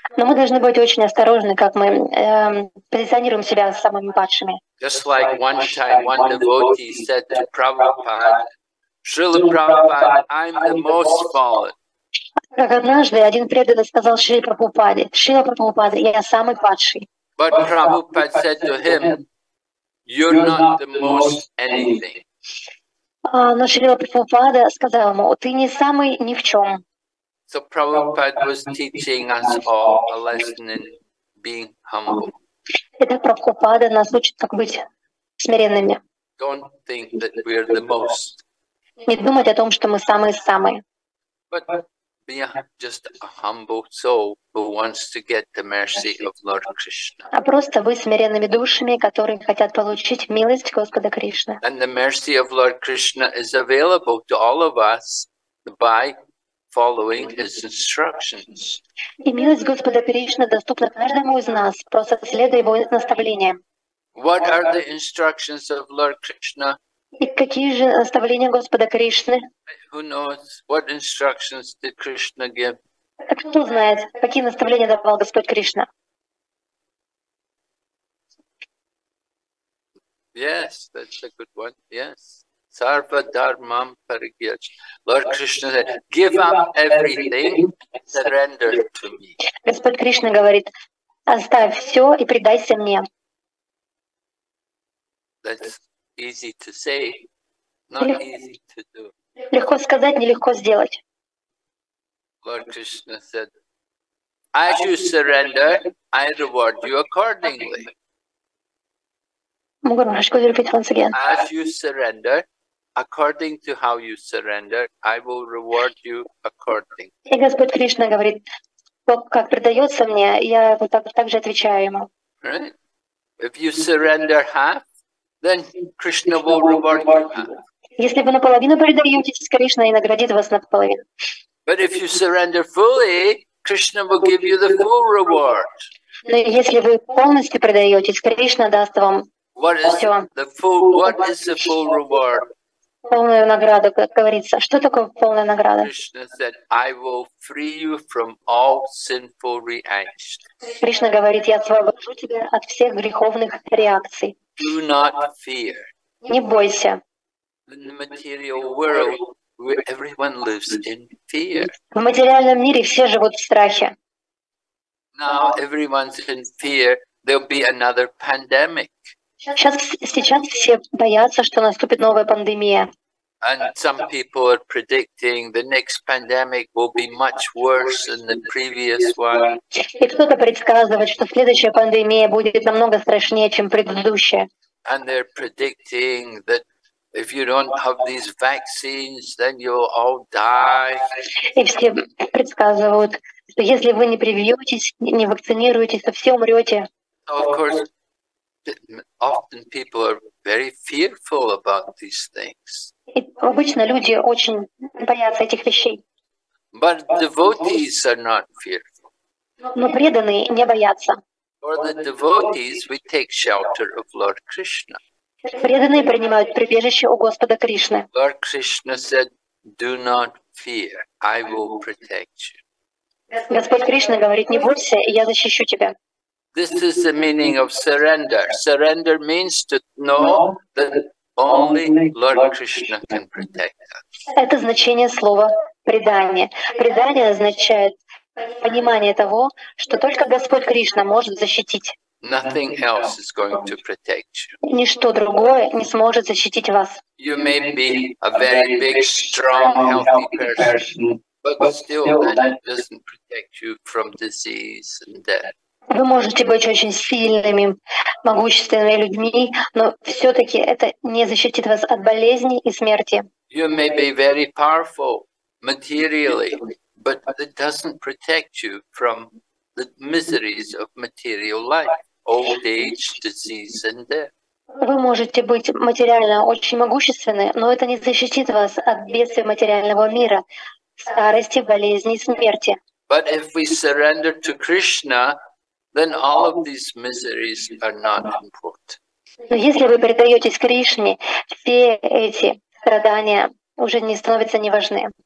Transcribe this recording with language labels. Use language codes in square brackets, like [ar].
[ru] Но мы должны быть очень осторожны, как мы позиционируем себя с самыми падшими. [en] Just like one time, one devotee said to Prabhupada, Srila Prabhupada, I'm the most fallen. [ru] Как однажды один преданный сказал Шрила Прабхупаде, я самый падший. [en] But Prabhupada said to him, you're not the most anything. [ru] Но Шрила Прабхупада сказал ему, ты не самый ни в чем. [en] So Prabhupada was teaching us all a lesson in being humble. [ru] Итак, Прабхупада нас учит, как быть смиренными. [en] Don't think that we are the most. [ru] Не думать о том, что мы самые-самые. [en] But be just a humble soul who wants to get the mercy of Lord Krishna. [ru] А просто вы смиренными душами, которые хотят получить милость Господа Кришны. [en] And the mercy of Lord Krishna is available to all of us by following his instructions. [ru] И милость Господа Кришны доступна каждому из нас, просто следуя его наставлениям. [en] What are the instructions of Lord Krishna? [ru] И какие же наставления Господа Кришны? [en] Who knows what instructions did Krishna give? [ru] Так кто знает, какие наставления давал Господь Кришна? [en] Yes, that's a good one. Yes. [sa] Sarva dharmam parigyach. [en] Lord Krishna said, give up everything, surrender to me. [ru] Господь Кришна говорит, оставь все и предайся мне. [en] That's easy to say, not easy to do. [ru] Легко сказать, нелегко сделать. [en] Lord Krishna said, as you surrender, I reward you accordingly. As you surrender, according to how you surrender, I will reward you accordingly. [ru] И Господь Кришна говорит, как предается мне, я вот так же отвечаю ему. [en] Right? If you surrender half, then Krishna will reward you half. [ru] Если вы наполовину предаетесь, Кришна и наградит вас наполовину. [en] But if you surrender fully, Krishna will give you the full reward. [ru] Но если вы полностью предаетесь, Кришна даст вам все. [en] What is the full reward? [ru] полную награду, как говорится. Что такое полная награда? [en] Krishna said, I will free you from all sinful reactions. [ru] Кришна говорит, я освобожу тебя от всех греховных реакций. [en] Do not fear. [ru] Не бойся. [en] In the material world, everyone lives in fear. [ru] В материальном мире все живут в страхе. [en] Now everyone's in fear. There'll be another pandemic. [ru] Сейчас все боятся, что наступит новая пандемия. [en] And some people are predicting the next pandemic will be much worse than the previous one. [ru] И кто-то предсказывает, что следующая пандемия будет намного страшнее, чем предыдущая. [en] And they're predicting that if you don't have these vaccines, then you'll all die. [ru] И все предсказывают, что если вы не привьетесь, не вакцинируетесь, то все умрете. [en] Of course, often people are very fearful about these things. [ru] Обычно люди очень боятся этих вещей. [en] But devotees are not fearful. [ru] Но преданные не боятся. [en] For the devotees, we take shelter of Lord Krishna. [ru] Преданные принимают прибежище у Господа Кришны. [en] Lord Krishna said, "Do not fear. I will protect you." [ru] Господь Кришна говорит, не бойся, я защищу тебя. [en] This is the meaning of surrender. Surrender means to know that only Lord Krishna can protect us. [ru] Это значение слова предание. Предание означает понимание того, что только Господь Кришна может защитить. [en] Nothing else is going to protect you. [ru] Ничто другое не сможет защитить вас. [en] You may be a very big, strong, healthy person, but still that doesn't protect you from disease and death. [ru] Вы можете быть очень сильными, могущественными людьми, но все-таки это не защитит вас от болезней и смерти. [en] You may be very powerful materially, but it doesn't protect you from the miseries of material life, old age, disease and death. [ru] Вы можете быть материально очень могущественны, но это не защитит вас от бедствий материального мира, старости, болезней и смерти. [en] But if we surrender to Krishna, then all of these miseries are not important. [ru] Если вы предаетесь Кришне, все эти страдания уже не становятся неважны.